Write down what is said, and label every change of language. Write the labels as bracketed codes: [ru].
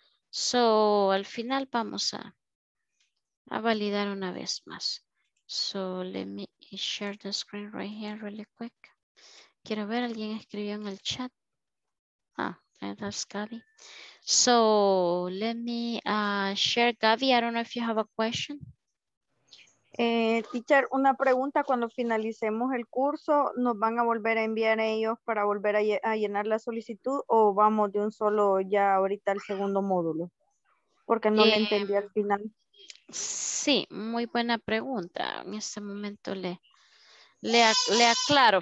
[es] So, al final vamos a validar una vez más. [en] So, let me share the screen right here really quick. [es] Quiero ver, alguien escribió en el chat. [en] Ah, that's Gabby. So, let me share. Gabby, I don't know if you have a question. [es] Teacher, una pregunta, cuando finalicemos el curso, ¿nos van a volver a enviar ellos para volver a llenar la solicitud o vamos de un solo ya ahorita al segundo módulo? Porque no le entendí al final. Sí, muy buena pregunta. En este momento le aclaro.